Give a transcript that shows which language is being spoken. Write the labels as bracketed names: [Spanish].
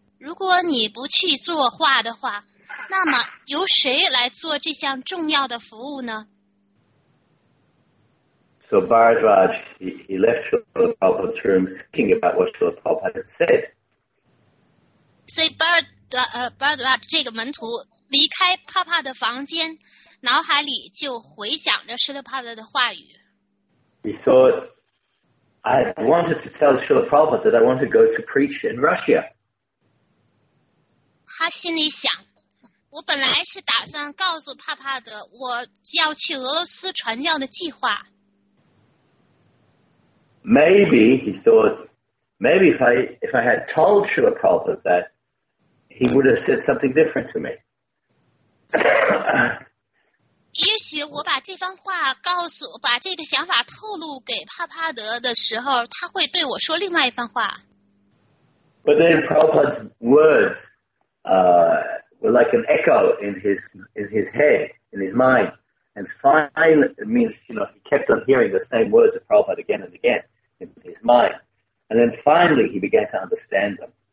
[Chinese] 如果你不去作画的话，那么由谁来做这项重要的服务呢？ [English] So Bharat Vaj, he left Srila Prabhupada's room thinking about what Srila Prabhupada had said. So [Chinese] Bharat Vaj, 这个门徒离开帕帕的房间，脑海里就回想着 Srila Prabhupada 的话语。 [English] He thought, I wanted to tell Srila Prabhupada that I want to go to preach in Russia. [Chinese] 他心里想，我本来是打算告诉帕帕的我要去俄罗斯传教的计划。 [English] Maybe, he thought, maybe if I had told Srila Prabhupada that, he would have said something different to me. [Chinese] 也许我把这个想法透露给帕帕德的时候，他会对我说另外一番话。 [English] But then Prabhupada's words were like an echo in his head, in his mind. And finally, it means, you know, he kept on hearing the same words of Prabhupada again and again in his mind. And then finally, he began to understand them.